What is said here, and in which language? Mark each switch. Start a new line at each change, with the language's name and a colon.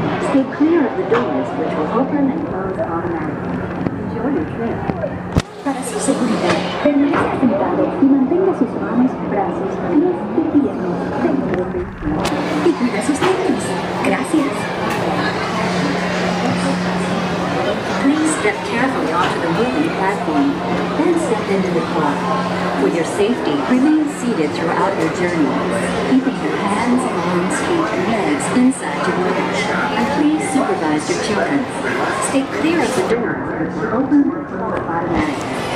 English: Stay clear of the doors, which will open and close automatically. Enjoy your trip.
Spanish: Para su seguridad, permanece sentado y mantenga sus manos, brazos, pies y piernas dentro del vehículo. Y cuida sus niños. Gracias.
English: Please step carefully onto the moving platform, then step into the car. For your safety, remain seated throughout your journey, keeping your hands, arms, feet, and legs inside your luggage. And please supervise your children. Stay clear of the door, which will open or close automatically.